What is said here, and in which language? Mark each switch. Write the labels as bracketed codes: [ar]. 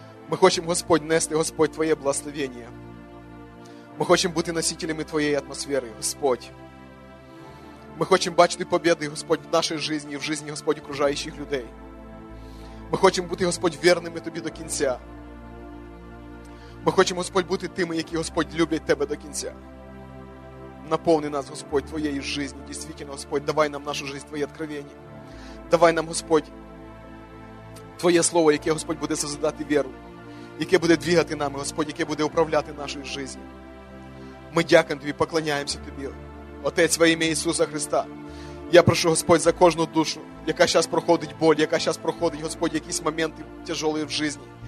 [uk] Ми хочемо, Господь, нести, Господь, Твоє благословення. Ми хочемо бути носителями Твоєї атмосфери, Господь. Ми хочемо бачити побіди, Господь, в нашій житті, в житті, Господь, окружаючих людей. Ми хочемо бути, Господь, вірними Тобі до кінця. Ми хочемо, Господь, бути тими, які, Господь, люблять Тебе до кінця. [ru] наполни нас, Господь, Твоей жизнью. Действительно, Господь, давай нам нашу жизнь, Твои откровения. [uk] Давай нам, Господь, Твоє слово, яке, Господь, буде создати віру, яке буде двигати нами, Господь, яке буде управляти нашою жизнью. Ми дякуємо Тобі, поклоняємося Тобі. Отець, во ім'я Ісуса Христа, я прошу, Господь, за кожну душу, яка зараз проходить боль, яка зараз проходить, Господь, якісь моменти тяжкі в житті.